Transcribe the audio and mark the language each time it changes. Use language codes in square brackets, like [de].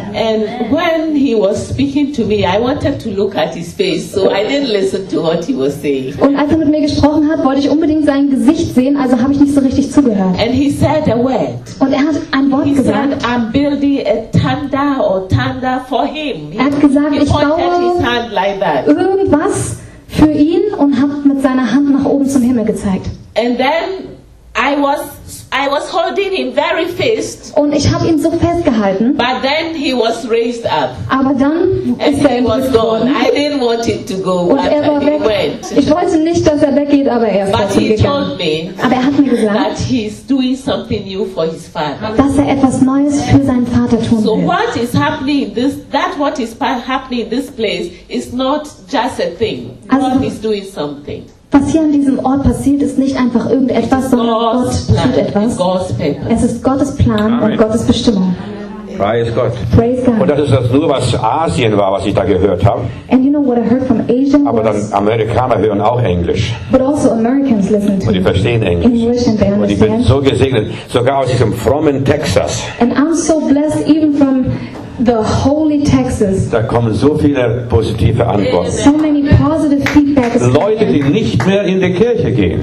[en] And when he was speaking to me, I wanted to look at his face, so I didn't listen to what he was saying. [de] Und als er mit mir gesprochen hat, wollte ich unbedingt sein Gesicht sehen, also habe ich nicht so richtig zugehört. [en] And he said a word. [de] Und er hat ein Wort [en] he [de] gesagt. [en] Said, I'm building a tanda or tanda for him. [de] Er hat gesagt, ich baue irgendwas für ihn und hat mit seiner Hand nach oben zum Himmel gezeigt. [en] And then I was holding him very fast. [de] Und ich habe ihn so festgehalten. [en] But then he was raised up. [de] Aber dann ist er [en] gone. I didn't want it to go. [de] Und er war weg. Ich wollte nicht, dass er weggeht, aber er ist gegangen. Aber er hat mir gesagt, [en] that he's doing something new for his father. [de] Dass er etwas Neues für seinen Vater tun will. [en] So what is happening? What is happening in this place is not just a thing. [de] Also, [en] God is doing something. [de] Was hier an diesem Ort passiert, ist nicht einfach irgendetwas, sondern Gott tut etwas. Es ist Gottes Plan. Amen. Und Gottes Bestimmung. Preis Gott. [en] Praise God. [de] Und das ist das nur, was Asien war, was ich da gehört habe. [en] And you know what I heard from Asia? [de] Aber dann Amerikaner hören auch Englisch. [en] But also Americans listen to [de] und die verstehen Englisch. [en] English and they understand. [de] Und ich bin so gesegnet, sogar aus diesem frommen Texas. [en] And I'm so blessed, even from the holy Texas. [de] Da kommen so viele positive Antworten. [en] So many positive feedbacks. [de] Leute, die nicht mehr in die Kirche gehen.